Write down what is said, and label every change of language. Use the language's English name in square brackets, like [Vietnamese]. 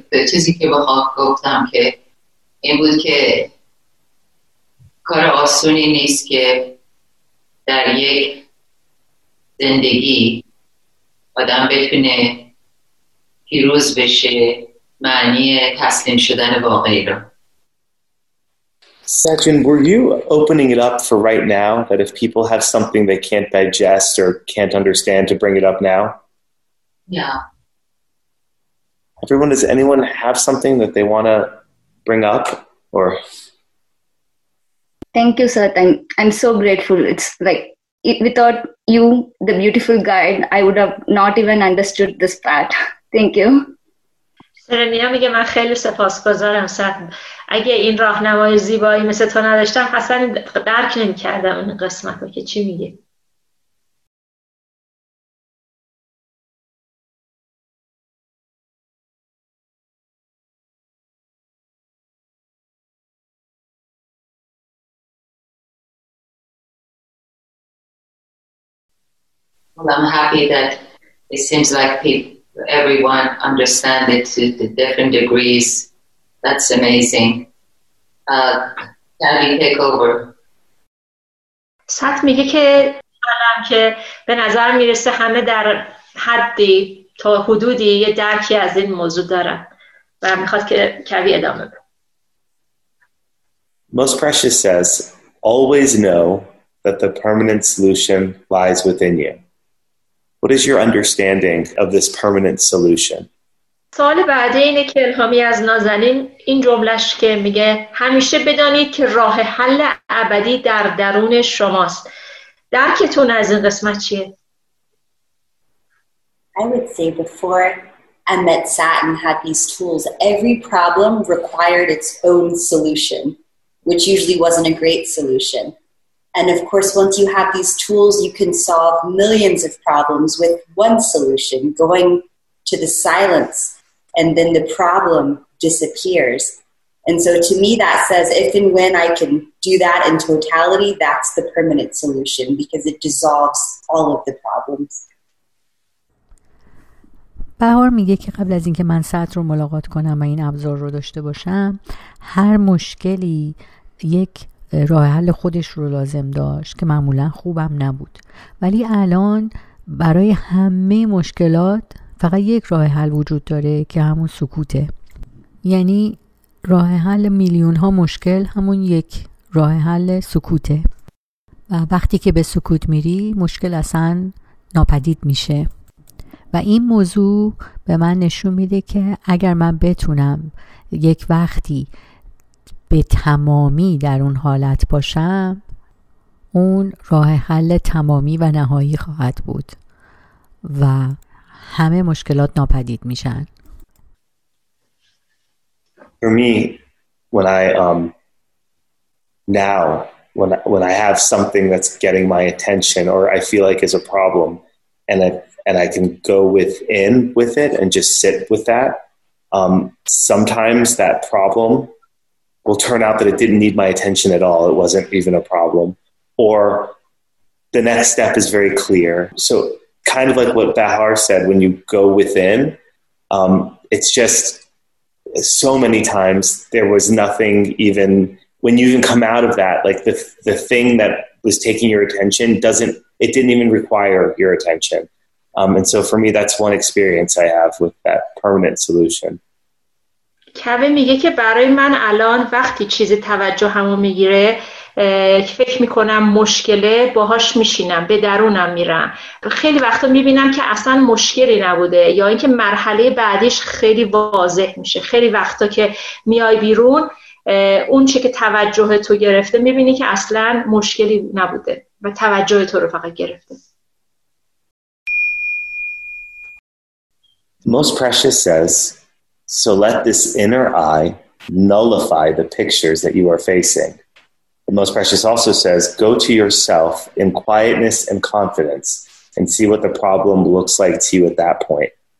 [Persian] چیزی که بخواب گفتم که این بود که کار آسونی نیست که در یک زندگی آدم بتونه پیروز بشه معنی تسلیم شدن واقعی رو. [English] Sachin, were you opening it up for right now, that if people have something they can't digest or can't understand, to bring it up now? Yeah. Everyone, does anyone have something that they want to bring up? Or? Thank you, Sat. I'm so grateful. It's like, without you, the beautiful guide, I would have not even understood this part. Thank you. [Persian] سرنیا میگه من خیلی سپاسگزارم سر، اگه این راهنمای زیبایی مثل تو نداشتم اصلا درک نمی‌کردم این قسمت رو که چی میگه. [English] Well, I'm happy that it seems like everyone understand it to the different degrees. That's amazing. Gabby, take over. [Persian] Sat میگه که به نظر میرسه همه در حدی تا حدودی یه درکی از این موضوع دارن و میخواد که کوی ادامه بده. [English] Most Precious says, always know that the permanent solution lies within you. What is your understanding of this permanent solution? [Persian] سوال بعدی اینه که الهامی از نازنین این جملهش که میگه همیشه بدانید که راه حل ابدی در درون شماست. درکتون از این قسمت چیه؟ [English] I would say before I met Saturn had these tools, every problem required its own solution, which usually wasn't a great solution. And of course, once you have these tools, you can solve millions of problems with one solution, going to the silence, and then the problem disappears. And so to me, that says if and when I can do that in totality, that's the permanent solution because it dissolves all of the problems. [Persian] بهار میگه که قبل از اینکه من ساعت رو ملاقات کنم و این ابزار رو داشته باشم، هر مشکلی یک راه حل خودش رو لازم داشت که معمولا خوبم نبود، ولی الان برای همه مشکلات فقط یک راه حل وجود داره که همون سکوته. یعنی راه حل میلیون ها مشکل همون یک راه حل سکوته، و وقتی که به سکوت میری مشکل اصلا ناپدید میشه. و این موضوع به من نشون میده که اگر من بتونم یک وقتی به تمامی در اون حالت باشم، اون راه حل تمامی و نهایی خواهد بود و همه مشکلات ناپدید میشن. [English] For me, when I have something that's getting my attention or I feel like is a problem and I can go within with it and just sit with that, sometimes that problem will turn out that it didn't need my attention at all. It wasn't even a problem. Or the next step is very clear. So kind of like what Bahar said, when you go within, it's just so many times there was nothing even, when you even come out of that, like the thing that was taking your attention doesn't, it didn't even require your attention. And so for me, that's one experience I have with that permanent solution. [Persian] Kevin میگه که برای من الان وقتی چیز توجهمو میگیره، فکر میکنم مشکله، باهاش میشینم، به درونم میرم. خیلی وقتا میبینم که اصلا مشکلی نبوده، یا اینکه مرحله بعدیش خیلی واضح میشه. خیلی وقتا که میای بیرون، اون چه که توجه تو گرفته میبینی که اصلا مشکلی نبوده و توجه تو رو فقط گرفته. [English] Most Precious says, so let this inner eye nullify the pictures that you are facing. The Most Precious also says, go to yourself in quietness and confidence and see what the problem looks like to you at that point.